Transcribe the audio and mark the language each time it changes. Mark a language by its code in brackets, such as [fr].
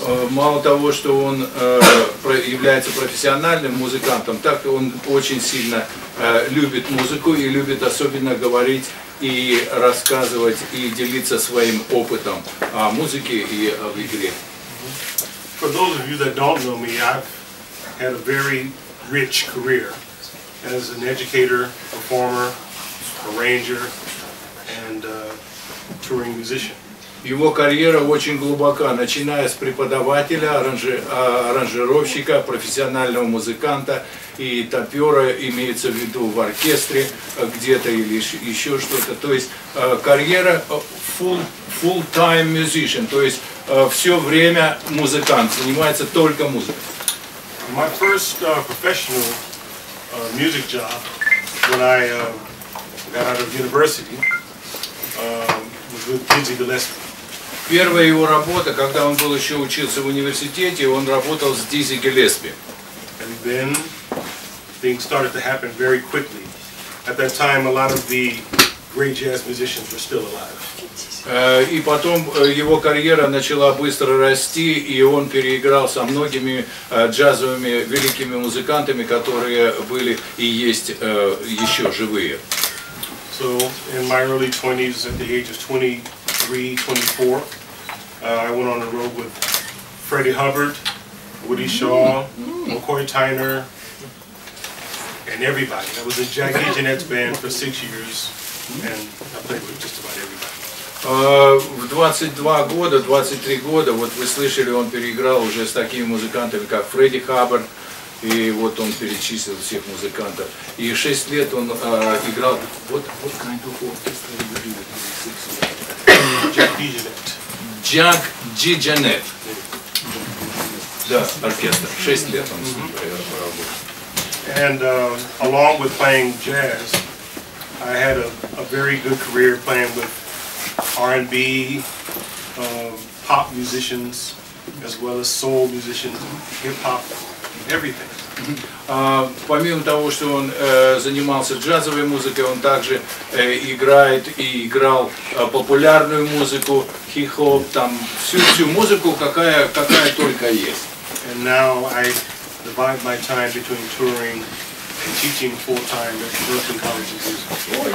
[ru] Мало того, что он является профессиональным музыкантом, так он очень сильно любит музыку и любит особенно говорить и рассказывать и делиться своим опытом о музыке и об игре. [en] For those of you that don't know me, I've had a very rich career as an educator, performer, arranger, and touring musician. [ru] Его карьера очень глубока, начиная с преподавателя, аранжировщика, профессионального музыканта и топера, имеется в виду в оркестре где-то или еще что-то. То есть карьера [en] full-time musician, [ru] то есть все время музыкант, занимается только музыкой. [en] My first professional music job when I got out of university was with Dizzy Gillespie. [ru] Первая его работа, когда он был еще учился в университете, он работал с Дизи Гиллеспи. [en] And then things started to happen very quickly. At that time, a lot of the great jazz musicians were still alive. [ru] И потом его карьера начала быстро расти, и он переиграл со многими джазовыми великими музыкантами, которые были и есть еще живые. [en] So in my early 20s, at the age of 23-24, I went on the road with Freddie Hubbard, Woody Shaw, McCoy Tyner, and everybody. I was in Jackie Jeanette's band for 6 years, and I played with just about everybody. [ru] В 22 года, 23 года, вот вы слышали, он переиграл уже с такими музыкантами, как Фредди Хаббард, и вот он перечислил всех музыкантов. И 6 лет он играл... [en] What kind of orchestra did you do with the 6 years? [ru] Джак Джиджанет. Да, оркестр. 6 лет он с ним поработал. [en] And along with playing jazz, I had a very good career playing with R&B, pop musicians, as well as soul musicians, hip-hop, everything. [ru] Помимо того, что он занимался джазовой музыкой, он также играет и играл популярную музыку, хип-хоп, там всю музыку, какая только есть. [en] And now I divide my time between touring and teaching full-time at Berklee College of Music.